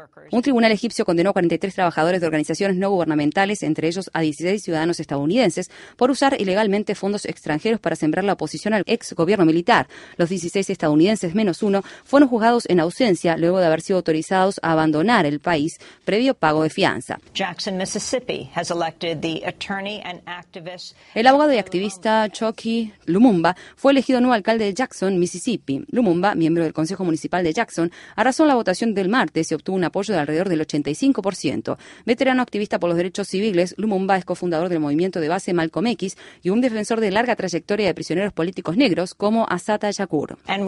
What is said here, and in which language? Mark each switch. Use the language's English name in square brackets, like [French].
[Spanish] Un tribunal egipcio condenó a 43 trabajadores de organizaciones no gubernamentales, entre ellos a 16 ciudadanos estadounidenses, por usar ilegalmente fondos extranjeros para sembrar la oposición al ex gobierno militar. Los 16 estadounidenses menos uno fueron juzgados en ausencia luego de haber sido autorizados a abandonar el país previo pago de fianza. [English] Jackson, Mississippi, has elected the attorney and activist. [Spanish] El abogado y activista Chokwi Lumumba fue elegido nuevo alcalde de Jackson, Mississippi. Lumumba, miembro del Consejo Municipal de Jackson, arrasó en la votación del martes y obtuvo un apoyo de alrededor del 85%. Veterano activista por los derechos civiles, Lumumba es cofundador del movimiento de base Malcolm X y un defensor de larga trayectoria de prisioneros políticos negros como Asata Shakur.